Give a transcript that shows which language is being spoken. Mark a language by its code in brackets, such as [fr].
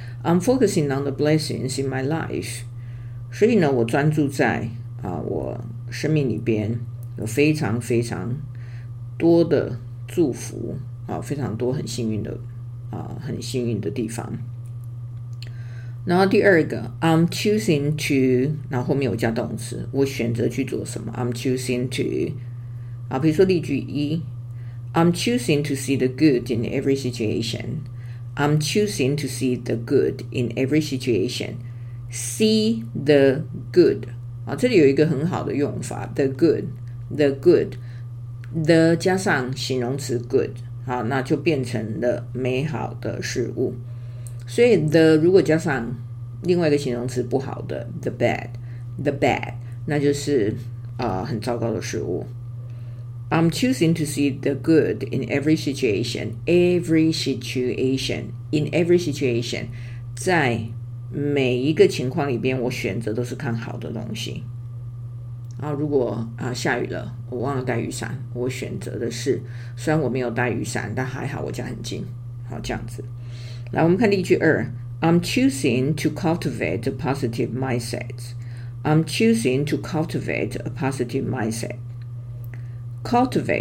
[en] I'm focusing on the blessings in my life。 [zh] 所以呢，我专注在我生命里边有非常非常多的祝福非常多很幸运的很幸运的地方。然后第二个 [en] I'm choosing to， [zh] 然后后面有加动词，我选择去做什么。 [en] I'm choosing to [zh] 比如说例句一， [en] I'm choosing to see the good in every situation。 See the good [zh] 这里有一个很好的用法， the good， the 加上形容词 good 那就变成了美好的事物。所以 the 如果加上另外一个形容词不好的 [en] the bad， [zh] 那就是很糟糕的事物。 [en] I'm choosing to see the good in every situation. In every situation. [zh] 在每一个情况里边，我选择都是看好的东西。如果下雨了，我忘了带雨伞，我选择的是，虽然我没有带雨伞，但还好我家很近。好，这样子。来，我们看例句二。 [en] I'm choosing to cultivate a positive mindset.